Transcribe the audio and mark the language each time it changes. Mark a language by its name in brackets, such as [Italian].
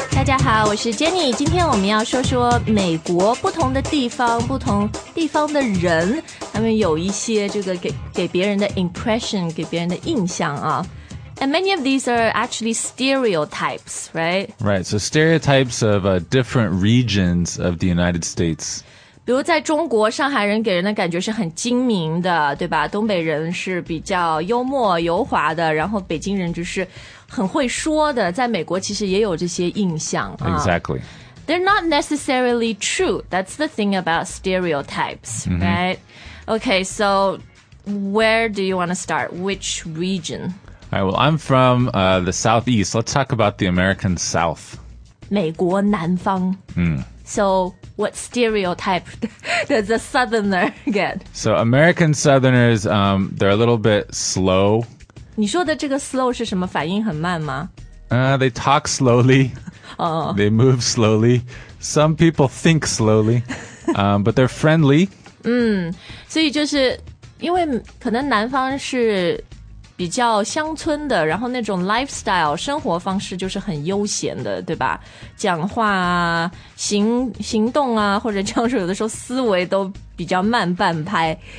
[Chinese] 大家好，我是 Jenny。今天我们要说说美国不同的地方，不同地方的人，他们有一些这个给别人的 impression， 给别人的印象啊。 [English] And many of these are actually stereotypes, right? Right. So stereotypes of different regions of the United States. [Chinese] 比如在中国，上海人给人的感觉是很精明的，对吧？东北人是比较幽默油滑的，然后北京人就是很会说的。在美国其实也有这些印象、啊、 [English] Exactly. They're not necessarily true. That's the thing about stereotypes,、mm-hmm. right? Okay, so where do you want to start? Which region? All right, well, I'm from the Southeast. Let's talk about the American South. [Chinese] 美国南方。 Mm. [English] So... What stereotype does a southerner get? So American southerners, they're a little bit slow. [Chinese] 你说的这个 slow 是什么反应很慢吗、 [English] They talk slowly. They move slowly. Some people think slowly. But they're friendly. [Chinese] 所以就是因为可能南方是比较乡村的，然后那种 lifestyle 生活方式就是很悠闲的，对吧？讲话啊，行动啊，或者这样说，有的时候思维都比较慢半拍。